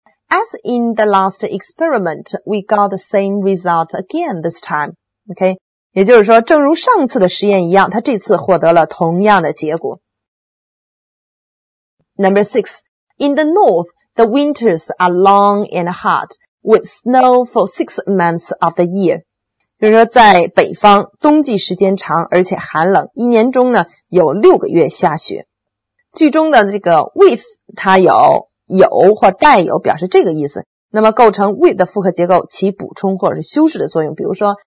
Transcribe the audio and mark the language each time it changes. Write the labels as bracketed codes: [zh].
[en] As in the last experiment, we got the same result again this time. Okay? [zh] 也就是说正如上次的实验一样他这次获得了同样的结果。 [en] Number six, in the north, the winters are long and hot, with snow for 6 months of the year. [zh] 就是说在北方冬季时间长而且寒冷一年中呢有6个月下雪。句中的这个 with 它有或带有表示这个意思。那么构成 with 的复合结构起补充或者是修饰的作用比如说